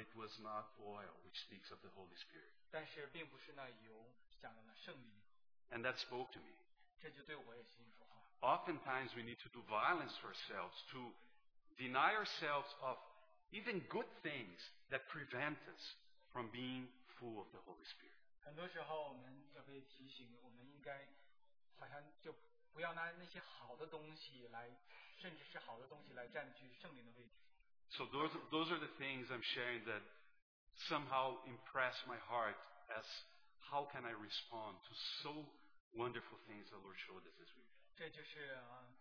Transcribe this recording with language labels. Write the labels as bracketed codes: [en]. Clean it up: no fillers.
[en] it was not oil which speaks of the Holy Spirit. [zh] 但是并不是那油，讲的那圣灵。And [en] that spoke to me. [zh] 这就对我也心里说话。 [en] Oftentimes we need to do violence to ourselves, to deny ourselves of even good things that prevent us from being full of the Holy Spirit. [zh] 很多时候我们要被提醒，我们应该好像就不要拿那些好的东西来，甚至是好的东西来占据圣灵的位置。So [en] those are the things I'm sharing that somehow impress my heart as how can I respond to so wonderful things the Lord showed us this week.